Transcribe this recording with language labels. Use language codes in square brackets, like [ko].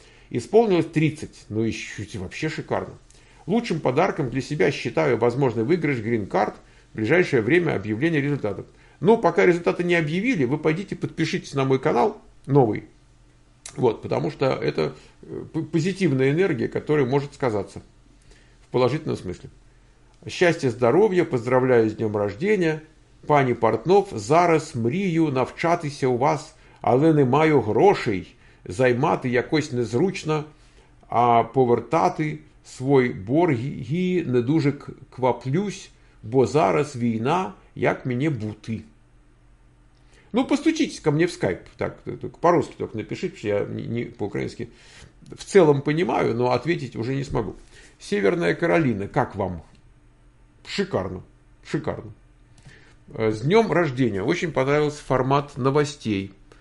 [ru] Исполнилось 30. Ну, еще вообще шикарно. Лучшим подарком для себя считаю возможный выигрыш грин-карт в ближайшее время объявления результатов. Ну, пока результаты не объявили, вы пойдите подпишитесь на мой канал новый. Вот, потому что это позитивная энергия, которая может сказаться в положительном смысле. [uk] Счастья, здоровья, поздравляю с днем рождения, пани Портнов, зараз мрію навчатися у вас, але не маю грошей, займати якось незручно, а повертати свой борги не дуже кваплюсь, бо зараз війна, як мені бути. [ru] Ну, постучитесь ко мне в скайп, так, по-русски только напишите, потому что я не по-украински в целом понимаю, но ответить уже не смогу. Северная Каролина, как вам? Шикарно, шикарно. С днем рождения. Очень понравился формат новостей.